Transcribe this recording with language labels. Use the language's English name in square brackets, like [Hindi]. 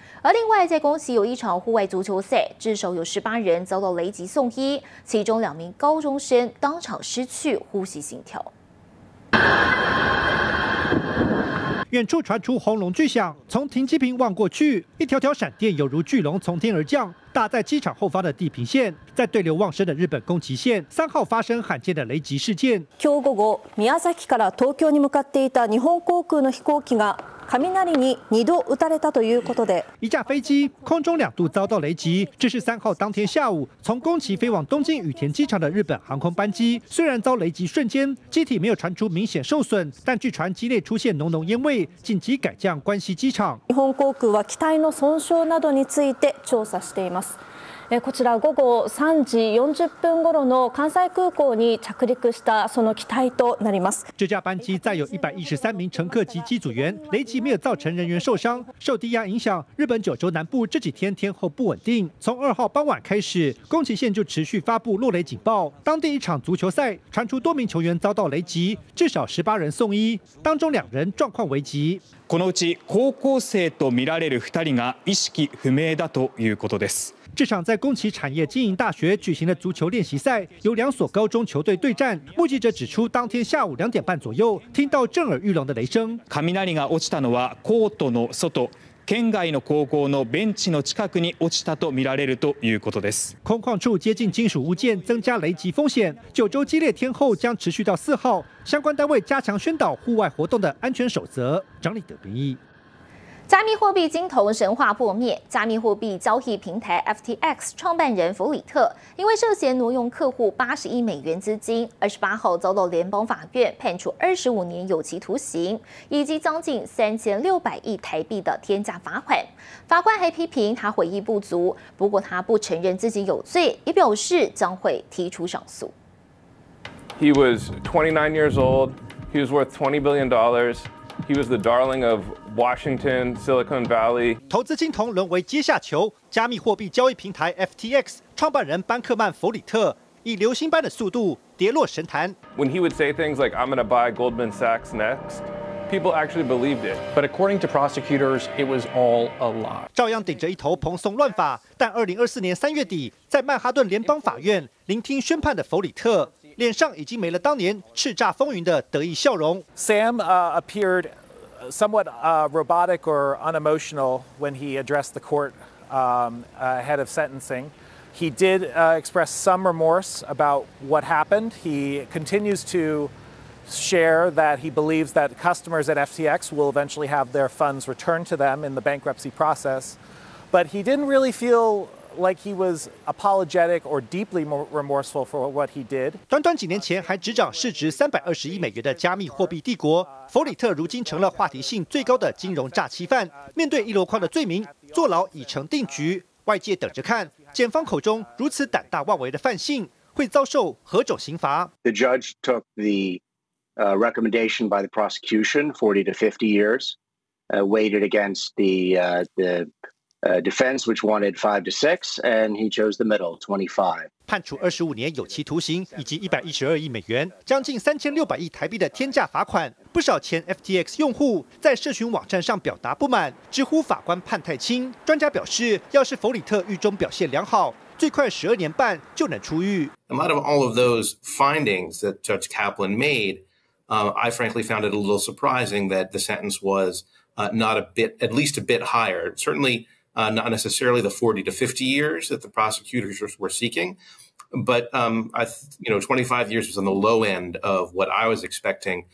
[Chinese] 而另外，在宫崎有一场户外足球赛，至少有18人遭到雷击送医，其中两名高中生当场失去呼吸心跳。远处传出轰隆巨响，从停机坪望过去，一条条闪电犹如巨龙从天而降，打在机场后方的地平线。在对流旺盛的日本宫崎县，3号发生罕见的雷击事件。 [Japanese] 今日午後、宮崎から東京に向かっていた日本航空の飛行機が雷に2度打たれたということで、 [Chinese] 一架飞机空中2度遭到雷击。这是3号当天下午从宫崎飞往东京羽田机场的日本航空班机，虽然遭雷击瞬间机体没有传出明显受损，但据传机内出现浓浓烟味，紧急改降关西机场。 [Japanese] 日本航空は機体の損傷などについて調査しています。こちら午後3時40分ごろの関西空港に着陸したその機体となります。 [Chinese] 这架班机载有113名乘客及机组员，雷击没有造成人员受伤。受低压影响，日本九州南部这几天天候不稳定，从2号傍晚开始，宫崎县就持续发布落雷警报。当地一场足球赛传出多名球员遭到雷击，至少18人送医，当中2人状况危急。 [Japanese] このうち高校生と見られる2人が意識不明だということです。 [Chinese] 这场在宫崎产业经营大学举行的足球练习赛，由两所高中球队对战。目击者指出，当天下午2点半左右，听到震耳欲聋的雷声。 [Japanese] 雷が落ちたのはコートの外、県外の高校のベンチの近くに落ちたと見られるということです。 [Chinese] 空旷处接近金属物件，增加雷击风险。九州激烈天候将持续到4号，相关单位加强宣导户外活动的安全守则。张立德编译。加密货币金童神话破灭，加密货币交易平台 FTX 创办人弗里特因为涉嫌挪用客户80亿美元资金，28号遭到联邦法院判处25年有期徒刑，以及将近3600亿台币的天价罚款。法官还批评他悔意不足，不过他不承认自己有罪，也表示将会提出上诉。 [English] He was 29 years old. He was worth $20 billion. He was the darling of Washington, Silicon Valley. [Chinese] 投资金童沦为阶下囚，加密货币交易平台 FTX 创办人班克曼·弗里特以流星般的速度跌落神坛。 [English] When he would say things like "I'm going to buy Goldman Sachs next," people actually believed it. But according to prosecutors, it was all a lie. [Chinese] 照样顶着一头蓬松乱发，但2024年3月底在曼哈顿联邦法院聆听宣判的弗里特，脸上已经没了当年叱咤风云的得意笑容。 [English] Sam appeared somewhat robotic or unemotional when he addressed the court ahead of sentencing. He did express some remorse about what happened. He continues to share that he believes that customers at FTX will eventually have their funds returned to them in the bankruptcy process. But he didn't really feel. Like he was apologetic or deeply remorseful for what he did. [Chinese] 短短几年前还执掌市值320亿美元的加密货币帝国，弗里特如今成了话题性最高的金融诈欺犯。面对一箩筐的罪名，坐牢已成定局。外界等着看，检方口中如此胆大妄为的犯性，会遭受何种刑罚 [English] ？The judge took the recommendation by the prosecution, 40 to 50 years, weighted against the defense, which wanted 5 to 6, and he chose the middle, 25. [Chinese] 判处25年有期徒刑以及$112亿，将近3600亿台币的天价罚款。不少前 FTX 用户在社群网站上表达不满，直呼法官判太轻。专家表示，要是弗里特狱中表现良好，最快12年半就能出狱。 [English] And out of all of those findings that Judge Kaplan made, I frankly found it a little surprising that the sentence was not a bit, at least a bit higher. Certainly. Not necessarily the 40 to 50 years that the prosecutors were seeking, but you know, 25 years was on the low end of what I was expecting.